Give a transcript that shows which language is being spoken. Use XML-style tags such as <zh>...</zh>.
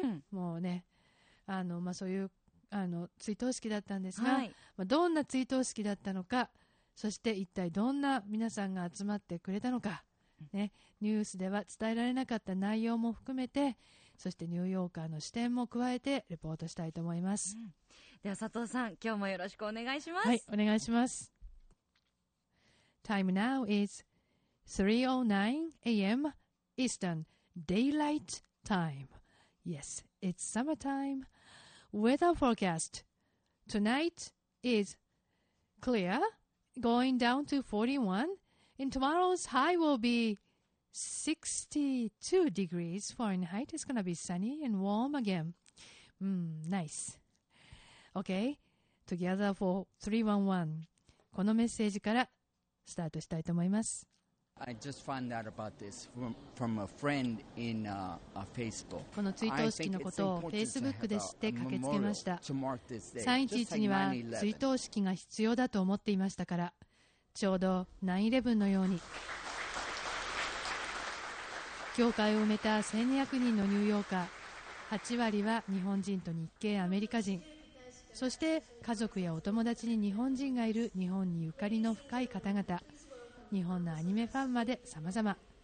<ja>もうね、まあ、そういう、追悼式だったんですが、はい、まあ、どんな追悼式だったのか、そして一体どんな皆さんが集まってくれたのか、ね、ニュースでは伝えられなかった内容も含めて、そしてニューヨーカーの視点も加えてレポートしたいと思います。では佐藤さん、今日もよろしくお願いします。はい、お願いします。</ja> <en>Time now is 3:09 AM Eastern Daylight Time. Yes, it's summertime. Weather forecast. Tonight is clear, going down to 41, and tomorrow's high will be 62 degrees Fahrenheit. It's gonna be sunny and warm again. Nice. Okay. Together for 311.</en> <ja>このメッセージからスタートしたいと思います。</ja> <en>I just found out about this from a friend in Facebook.</en> <ja>この追悼式のことを Facebook で知って駆けつけました。 311には追悼式が必要だと思っていましたから、ちょうど 9/11 のように。教会を埋めた1200人のニューヨーカー、8割は日本人と日系アメリカ人、そして家族やお友達に日本人がいる日本にゆかりの深い方々、日本のアニメファンまで様々。</ja>